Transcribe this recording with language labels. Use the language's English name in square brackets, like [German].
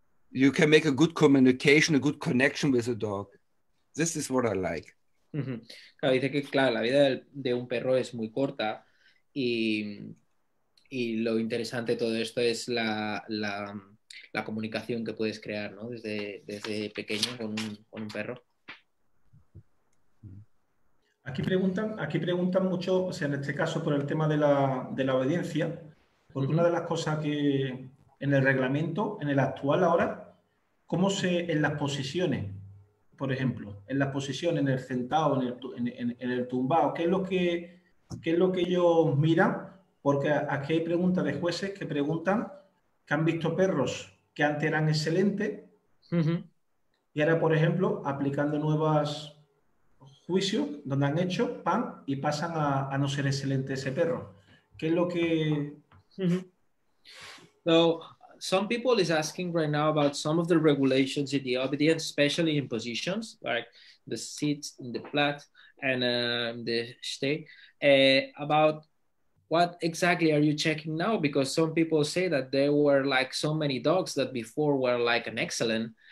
[English] You can make a good communication, a good connection with the dog. This is what I like. Mm-hmm. [Spanish] Claro, dice que claro, la vida de un perro es muy corta, y lo interesante de todo esto es la comunicación que puedes crear, ¿no? Desde pequeño con un perro. Aquí preguntan mucho, o sea, en este caso por el tema de la obediencia, porque uh-huh. Una de las cosas que en el reglamento, en el actual ahora, ¿cómo se, en las posiciones, por ejemplo, en las posiciones, en el sentado, en el tumbado, qué es lo que ellos miran? Porque aquí hay preguntas de jueces que preguntan que han visto perros que antes eran excelentes, uh-huh. Y ahora, por ejemplo, aplicando nuevas juicio donde han hecho pan y pasan a no ser excelente ese perro. ¿Qué es lo que? [English] So some people is asking right now about some of the regulations in the obedience, especially in positions like the seats in the flat and the stay. About what exactly are you checking now? Because some people say that there were like so many dogs that before were like an excellent.